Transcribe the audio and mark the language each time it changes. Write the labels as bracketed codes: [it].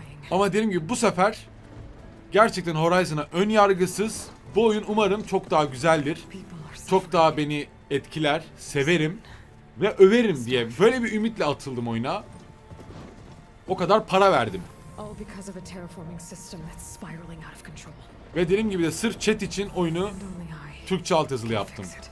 [tr] Ama dediğim gibi bu sefer gerçekten Horizon'a ön yargısız, bu oyun umarım çok daha güzeldir, çok daha beni etkiler, severim ve överim diye böyle bir ümitle atıldım oyuna. O kadar para verdim. [en] All because of a terraforming system that's spiraling out of control. [tr] Ve dediğim gibi de sırf chat için oyunu Türkçe altyazılı yaptım.